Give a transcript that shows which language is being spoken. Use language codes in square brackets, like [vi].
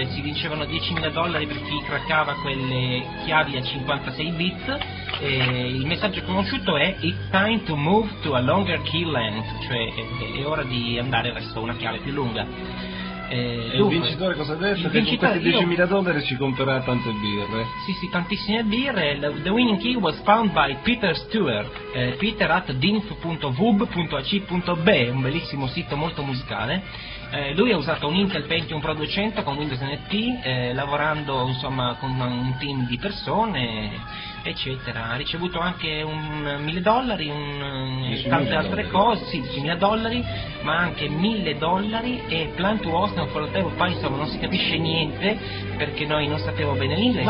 [it] Si vincevano $10,000 per chi craccava quelle chiavi a 56 bit. Il messaggio conosciuto è [en] "It's time to move to a longer key length", [it] cioè è ora di andare verso una chiave più lunga. Il vincitore cosa ha detto? Che con questi $10,000 ci comprerà tante birre. Sì, tantissime birre. [en] The winning key was found by Peter Stewart, Peter at dinf.vub.ac.be, [it] un bellissimo sito molto musicale. Lui ha usato un Intel Pentium Pro 200 con Windows NT, lavorando insomma con un team di persone, eccetera. Ha ricevuto anche $1,000, tante altre cose, sì, $10,000, ma anche $1,000 e [en] Plan to Host, [it] non quello tempo, poi insomma non si capisce niente perché noi non sapevamo bene l'inglese.